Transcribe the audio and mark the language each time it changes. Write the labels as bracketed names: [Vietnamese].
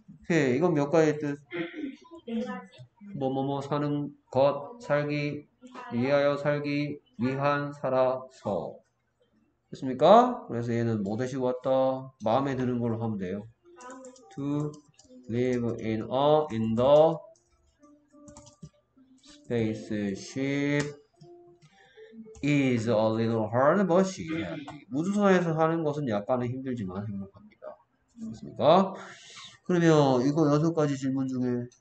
[Korean] 오케이 이건 몇 가지 뜻? 뭐뭐뭐 사는 것, 살기, 위하여 살기, 위한 살아서 됐습니까? 그래서 얘는 뭐 대시고 왔다? 마음에 드는 걸로 하면 돼요. [English] To live in a, in the spaceship is a little hard but she is happy. [Korean] 우주선에서 사는 것은 약간은 힘들지만 행복합니다. 됐습니까? 그러면 이거 여섯 가지 질문 중에